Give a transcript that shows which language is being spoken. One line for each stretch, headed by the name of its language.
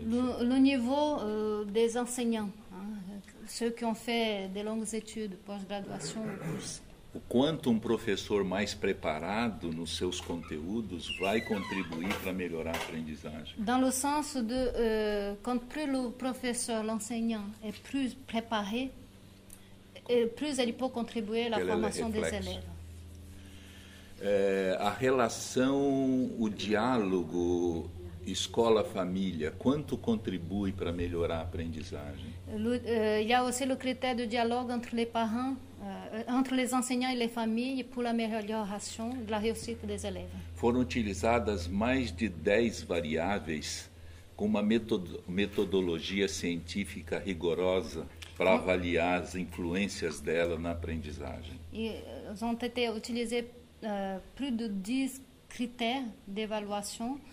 Portuguese: No nível dos
French: enseignants, ceux qui ont fait de longues études, pós-graduação.
Portuguese: O quanto um professor mais preparado nos seus conteúdos vai contribuir para melhorar a aprendizagem?
French: Dans le sens de quand plus le professeur, l'enseignant est plus préparé, plus il peut contribuer à la formation des élèves.
Portuguese: A relação, o diálogo escola-família, quanto contribui para melhorar a aprendizagem?
French: Il y a aussi le critère de dialogue entre les parents, entre les enseignants et les familles pour la amélioration de la réussite des élèves.
Portuguese: Foram utilizadas mais de 10 variáveis com uma metodologia científica rigorosa para avaliar as influências dela na aprendizagem.
French: Ils ont été utilisés plus de 10 critères d'évaluation